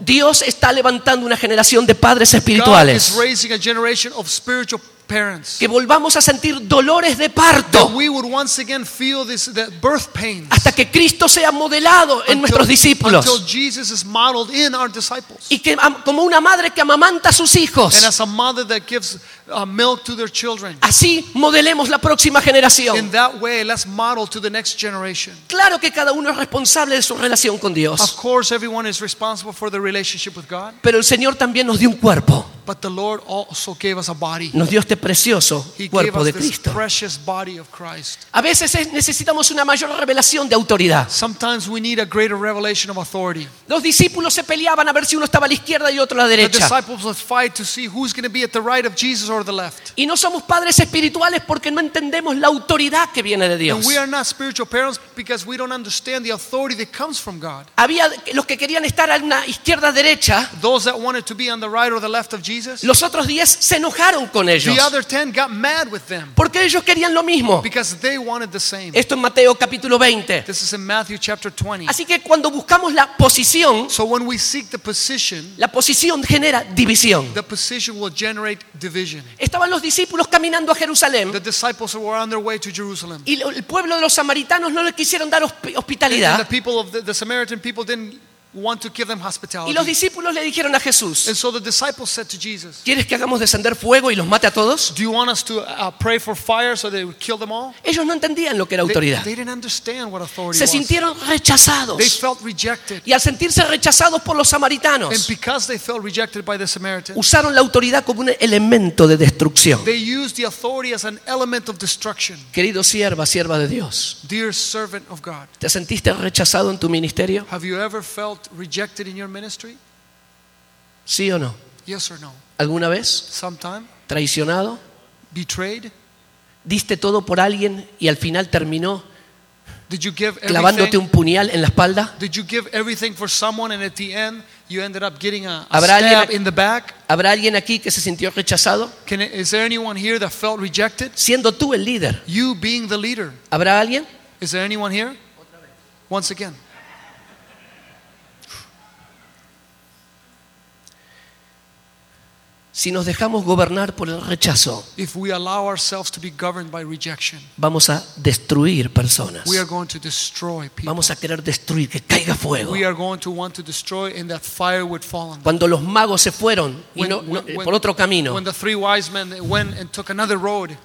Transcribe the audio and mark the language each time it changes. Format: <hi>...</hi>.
<es>Dios está levantando una generación de padres espirituales.</es> <en>God is raising a generation of spiritual parents.</en> <es>Que volvamos a sentir dolores de parto.</es> <en>That we would once again feel this, the birth pains.</en> <es>Hasta que Cristo sea modelado en nuestros discípulos.</es> <en>Until Jesus is modeled in our disciples.</en> <es>Y que como una madre que amamanta a sus hijos.</es> <en>And as a mother that gives milk to their children.</en> <es>Así modelemos la próxima generación.</es> <en>In that way, let's model to the next generation.</en> <es>Claro que cada uno es responsable de su relación con Dios.</es> <en>Of course, everyone is responsible for their relationship with God.</en> <es>Pero el Señor también nos dio un cuerpo.</es> <en>But the Lord also gave us a body.</en> <es>Nos dio este precioso</es> <en>he</en> <es>cuerpo</es> <en>gave us</en> <es>de</es> <en>this</en> <es>Cristo.</es> <en>Precious body of Christ.</en> <es>A veces necesitamos una mayor revelación de autoridad.</es> <en>Sometimes we need a greater revelation of authority.</en> <es>Los discípulos se peleaban a ver si uno estaba a la izquierda y otro a la derecha.</es> <en>The disciples would fight to see who's going to be at the right of Jesus or the left.</en> <es>Y no somos padres espirituales porque no entendemos la autoridad que viene de Dios.</es> <en>And we are not spiritual parents because we don't understand the authority that comes from God.</en> <es>Había los que querían estar a la izquierda derecha.</es> <en>Those that wanted to be on the right or the left of Jesus.</en> <es>Los otros 10 se enojaron con ellos.</es> <en>The other 10 got mad with them.</en> <es>Porque ellos querían lo mismo.</es> <en>Because they wanted the same.</en> <es>Esto en Mateo capítulo 20.</es> <en>This is in Matthew chapter 20.</en> <es>Así que cuando buscamos la posición,</es> <en>so when we seek the position,</en> <es>la posición genera división.</es> <en>The position will generate division.</en> <es>Estaban los discípulos caminando a Jerusalén.</es> <en>The disciples were on their way to Jerusalem.</en> <es>Y el pueblo de los samaritanos no les quisieron dar hospitalidad.</es> <en>And the people of the Samaritan people didn't want to give them hospitality.</en> <es>Y los discípulos le dijeron a Jesús.</es> <en>And so the disciples said to Jesus,</en> <es>¿quieres que hagamos descender fuego y los mate a todos?</es> <en>Do you want us to pray for fire so they would kill them all?</en> <es>Ellos no entendían lo que era autoridad.</es> <en>They didn't understand what authority</en> <es>se sintieron rechazados.</es> <en>They felt rejected.</en> <es>Y al sentirse rechazados por los samaritanos,</es> <en>and because they felt rejected by the Samaritans,</en> <es>usaron la autoridad como un elemento de destrucción.</es> <en>They used the authority as an element of destruction.</en> <es>Querido sierva, sierva de Dios,</es> <en>dear servant of God,</en> <es>¿te sentiste rechazado en tu ministerio?</es> <en>Have you ever felt rejected in your ministry?</en> <es>¿Sí o no?</es> <en>Yes or no.</en> <es>¿Alguna vez?</es> <en>Sometime.</en> <es>¿Traicionado?</es> <en>Betrayed.</en> <es>¿Diste todo por alguien y al final terminó clavándote un puñal en la espalda?</es> <en>Did you give everything for someone and at the end you ended up getting a stab in the back?</en> <es>¿Habrá alguien aquí que se sintió rechazado?</es> <en>Is there anyone here that felt rejected?</en> <es>Siendo tú el líder.</es> <en>You being the leader.</en> <es>¿Habrá alguien?</es> <en>Is there anyone here? Once again.</en> <es>Si nos dejamos gobernar por el rechazo,</es> <en>if we allow ourselves to be governed by rejection,</en> <es>vamos a destruir personas.</es> <en>We are going to destroy people.</en> <es>Vamos a querer destruir, que caiga fuego.</es> <en>We are going to want to destroy and that fire would fall on them.</en> <es>Cuando los magos se fueron por otro camino,</es> <en>when the three wise men went and took another road,</en>